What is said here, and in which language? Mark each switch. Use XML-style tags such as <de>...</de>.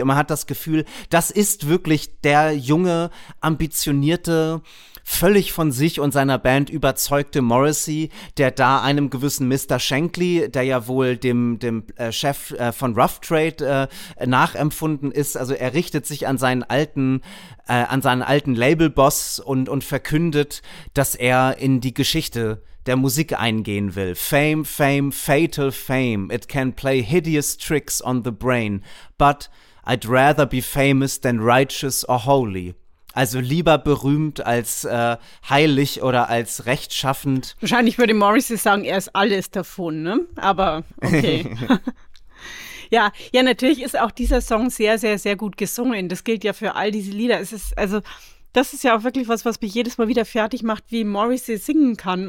<de>Und man hat das Gefühl, das ist wirklich der junge, ambitionierte, völlig von sich und seiner Band überzeugte Morrissey, der da einem gewissen Mr. Shankly, der ja wohl dem Chef von Rough Trade nachempfunden ist, also er richtet sich an seinen alten Label-Boss und verkündet, dass er in die Geschichte der Musik eingehen will.</de> <en>Fame, fame, fatal fame, it can play hideous tricks on the brain, but I'd rather be famous than righteous or holy.</en> <de>Also lieber berühmt als heilig oder als rechtschaffend. Wahrscheinlich würde Morrissey sagen, er ist alles davon, ne? Aber okay. Ja, natürlich ist auch dieser Song sehr, sehr, sehr gut gesungen. Das gilt ja für all diese Lieder. Es ist, also, das ist ja auch wirklich was mich jedes Mal wieder fertig macht, wie Morrissey singen kann.</de>